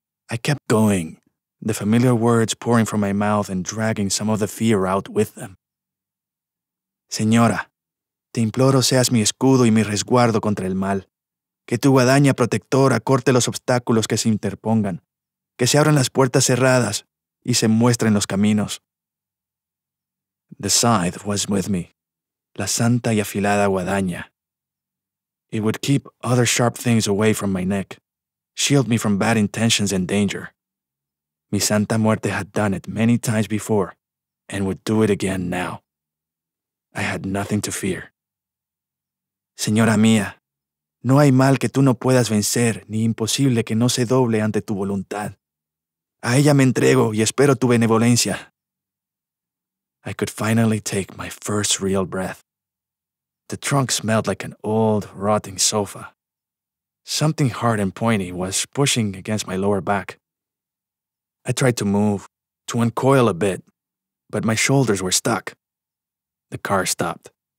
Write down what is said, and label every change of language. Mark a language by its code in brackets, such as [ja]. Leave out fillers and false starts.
[en] I kept going, the familiar words pouring from my mouth and dragging some of the fear out with them. [es] Señora, te imploro seas mi escudo y mi resguardo contra el mal. Que tu guadaña protectora corte los obstáculos que se interpongan. Que se abran las puertas cerradas y se muestren los caminos. [en] The scythe was with me, [es] la santa y afilada guadaña. [en] It would keep other sharp things away from my neck, shield me from bad intentions and danger. Mi santa muerte had done it many times before and would do it again now. I had nothing to fear. [es] Señora mía, no hay mal que tú no puedas vencer ni imposible que no se doble ante tu voluntad. A ella me entrego y espero tu benevolencia. [en] I could finally take my first real breath. The trunk smelled like an old, rotting sofa. Something hard and pointy was pushing against my lower back. I tried to move, to uncoil a bit, but my shoulders were stuck. The car stopped.